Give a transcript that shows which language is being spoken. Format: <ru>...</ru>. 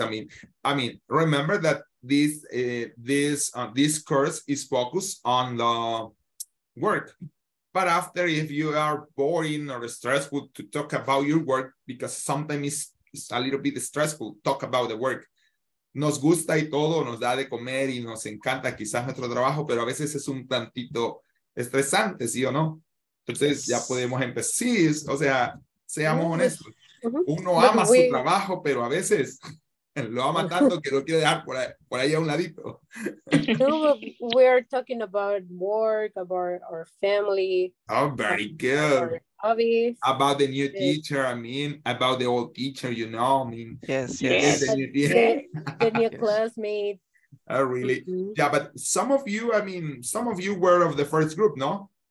<en>I mean, remember that this course is focused on the work, but after, if you are boring or stressful to talk about your work, because sometimes it's a little bit stressful, talk about the work.</en> <es>Nos gusta y todo, nos da de comer y nos encanta quizás nuestro trabajo, pero a veces es un tantito estresante, ¿sí o no? Entonces ya podemos empezar, sí, o sea, seamos honestos. Uno ama su trabajo, pero a veces... Lo ama tanto que lo quiere dejar por ahí a un ladito.</es> <en>We are talking about work, about our family. Oh, very good. Hobbies. About the new teacher, I mean, about the old teacher, you know, I mean. Yes. The new classmate. Oh, really? Mm-hmm. Yeah, but some of you were of the first group, no?</en>